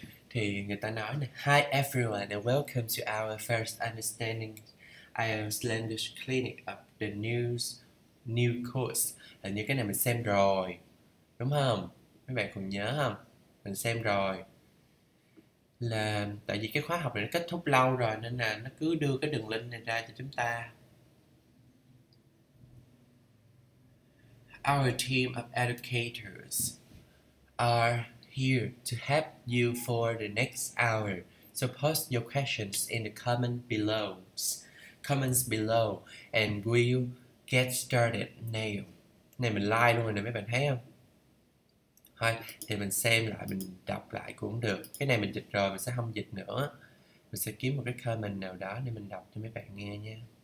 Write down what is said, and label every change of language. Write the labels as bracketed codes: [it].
[vi] Thì người ta nói này: [en] Hi everyone and welcome to our first Understanding IELTS Language Clinic of the new course. [vi] Là như cái này mình xem rồi, đúng không? Mấy bạn còn nhớ không? Mình xem rồi. Là tại vì cái khóa học này nó kết thúc lâu rồi nên là nó cứ đưa cái đường link này ra cho chúng ta. [en] Our team of educators are here to help you for the next hour. So post your questions in the comments below and we'll get started now. [vi] Này mình like luôn rồi nè mấy bạn thấy không? Thôi, thì mình xem lại, mình đọc lại cũng được. Cái này mình dịch rồi, mình sẽ không dịch nữa. Mình sẽ kiếm một cái comment nào đó để mình đọc cho mấy bạn nghe nha.